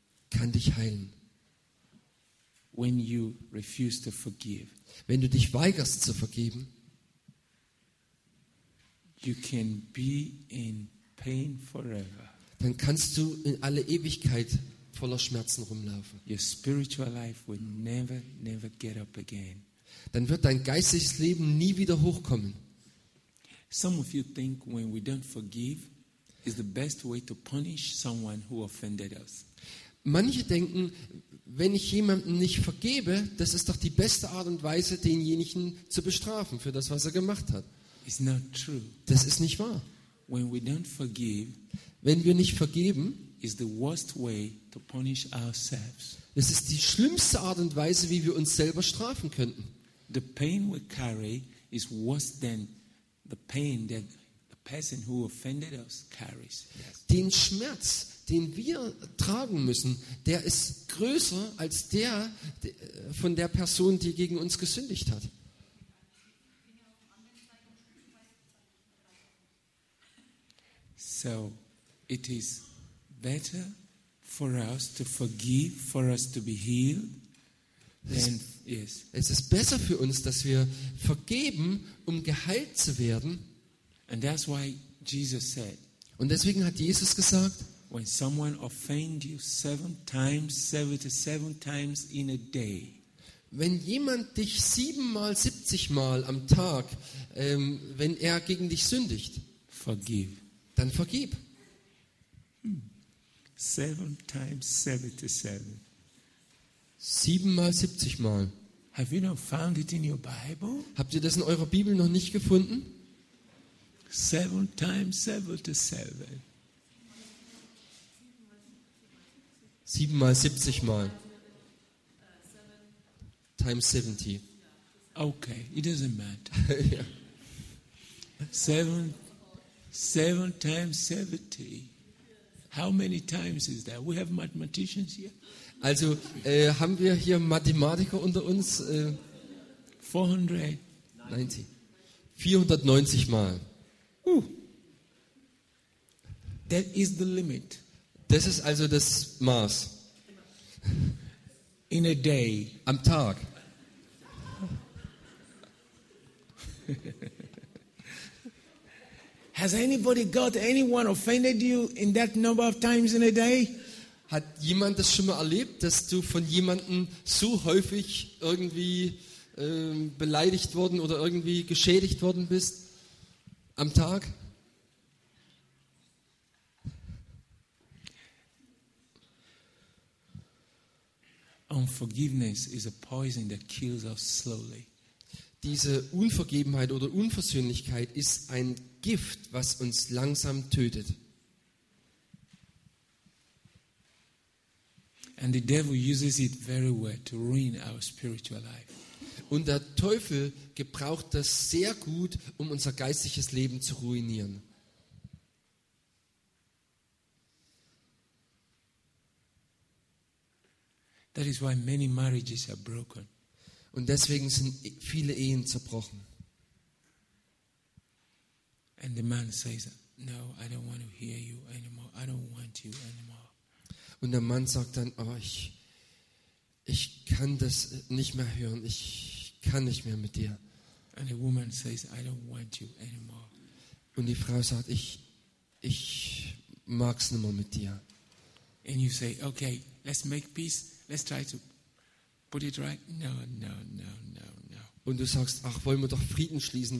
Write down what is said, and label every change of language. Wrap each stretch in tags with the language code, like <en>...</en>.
<de>Kann dich heilen.</de> <en>When you refuse to forgive,</en> <de>wenn du dich weigerst zu vergeben,</de> <en>you can be in pain forever.</en> <de>Dann kannst du in alle Ewigkeit voller Schmerzen rumlaufen.</de> <en>Your spiritual life will never, never get up again.</en> <de>Dann wird dein geistiges Leben nie wieder hochkommen.</de> <en>Some of you think when we don't forgive is the best way to punish someone who offended us.</en> <de>Manche denken, wenn ich jemanden nicht vergebe, das ist doch die beste Art und Weise, denjenigen zu bestrafen für das, was er gemacht hat.</de> <en>It's not true.</en> <de>Das ist nicht wahr.</de> <en>When we don't forgive,</en> <de>wenn wir nicht vergeben,</de> <en>is the worst way to punish ourselves.</en> <de>Das ist die schlimmste Art und Weise, wie wir uns selber strafen könnten.</de> <en>The pain we carry is worse than the pain that the person who offended us carries.</en> <de>Den Schmerz, den wir tragen müssen, der ist größer als der von der Person, die gegen uns gesündigt hat.</de> <en>So, it is better for us to forgive, for us to be healed. Than, yes.</en> <de>Es ist besser für uns, dass wir vergeben, um geheilt zu werden.</de> <en>And that's why Jesus said.</en> <de>Und deswegen hat Jesus gesagt.</de> <en>When someone offends you 77 times in a day.</en> <de>Wenn jemand dich 77 Mal am Tag, wenn er gegen dich sündigt,</de> <en>forgive.</en> <de>Dann vergib.</de> <en>7 times 77.</en> <de>7 mal 70 Mal.</de> <en>Have you not found it in your Bible?</en> <de>Habt ihr das in eurer Bibel noch nicht gefunden?</de> <en>7 times 77.</en> <de>7 mal 70 Mal.</de> <en>Times 70. Okay, it doesn't matter. 7 times 70. How many times is that? We have mathematicians here.</en> <de>Also, haben wir hier Mathematiker unter uns? 490 Mal.</de> <en>That is the limit.</en> <de>Das ist also das Maß.</de> <en>In a day.</en> <de>Am Tag.</de> <en>Has anybody got anyone offended you in that number of times in a day?</en> <de>Hat jemand das schon mal erlebt, dass du von jemandem so häufig irgendwie beleidigt worden oder irgendwie geschädigt worden bist am Tag?</de> <en>Unforgiveness is a poison that kills us slowly.</en> <de>Diese Unvergebenheit oder Unversöhnlichkeit ist ein Gift, was uns langsam tötet.</de> <en>And the devil uses it very well to ruin our spiritual life.</en> <de>Und der Teufel gebraucht das sehr gut, um unser geistliches Leben zu ruinieren.</de> <en>That is why many marriages are broken.</en> <de>Und deswegen sind viele Ehen zerbrochen.</de> <en>And the man says, "No, I don't want to hear you anymore. I don't want you anymore."</en> <de>Und der Mann sagt dann: "Oh, ich kann das nicht mehr hören. Ich kann nicht mehr mit dir."</de> <en>And the woman says, "I don't want you anymore."</en> <de>Und die Frau sagt: "Ich mag's nicht mehr mit dir."</de> <en>And you say, "Okay, let's make peace. Let's try to put it right." No, no, no, no, no.</en> <de>Und du sagst: "Ach, wollen wir doch Frieden schließen?</de>